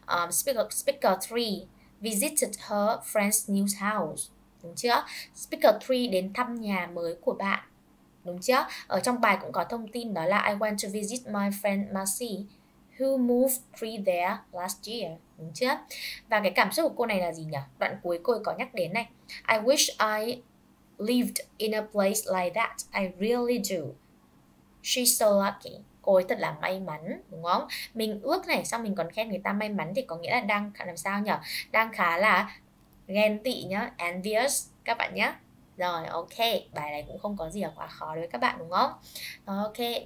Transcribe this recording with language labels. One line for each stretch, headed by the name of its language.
English: Speaker 3 visited her friend's new house.
Vietnamese: Đúng chưa? Speaker 3 đến thăm nhà mới của bạn. Đúng chưa? Ở trong bài cũng có thông tin đó là
English: I went to visit my friend Marcy who moved 3 there last year.
Vietnamese: Đúng chưa? Và cái cảm xúc của cô này là gì nhỉ? Đoạn cuối cô ấy có nhắc đến này.
English: I wish I lived in a place like that. I really do. She's so lucky.
Vietnamese: Cô ấy thật là may mắn, đúng không? Mình ước này, xong mình còn khen người ta may mắn thì có nghĩa là đang làm sao nhỉ? Đang khá là ghen tị nhá, envious các bạn nhá. Rồi, ok. Bài này cũng không có gì là quá khó đối với các bạn, đúng không? Rồi, ok.